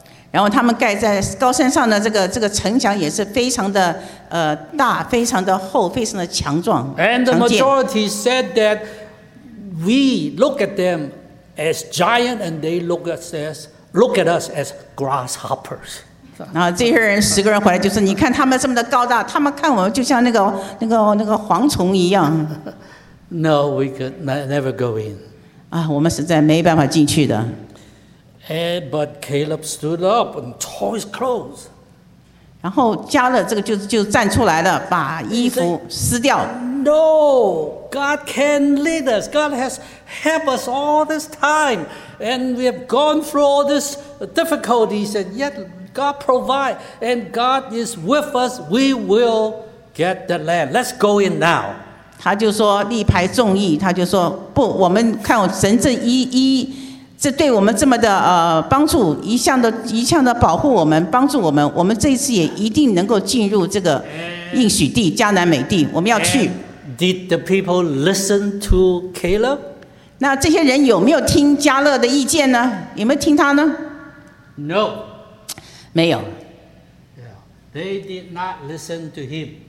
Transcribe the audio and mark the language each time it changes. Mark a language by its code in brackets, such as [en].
[zh] 然后他们盖在高山上的这个城墙也是非常的大，非常的厚，非常的强壮。 [en] And the majority said that we look at them as giant, and they look at us as grasshoppers. [zh] 然后这些人十个人回来就是，你看他们这么的高大，他们看我们就像那个蝗虫一样。 [en] No, we could never go in. [zh] 啊，我们实在没办法进去的。 [en] But Caleb stood up and tore his clothes. [zh] 然后加勒这个就站出来了，把衣服撕掉。 [en] Said, no, God can lead us. God has helped us all this time, and we have gone through all these difficulties, and yet God provides, and God is with us. We will get the land. Let's go in now. [zh] 他就说力排众议，他就说不，我们看我神这一。这对我们这么的帮助，一向的保护我们，帮助我们，我们这一次也一定能够进入这个应许地迦南美地，我们要去。 [en] And、did the people listen to Caleb? [zh] 那这些人有没有听迦勒的意见呢？有没有听他呢 [en] ？No， [zh] 没有。 [en] Yeah. They did not listen to him.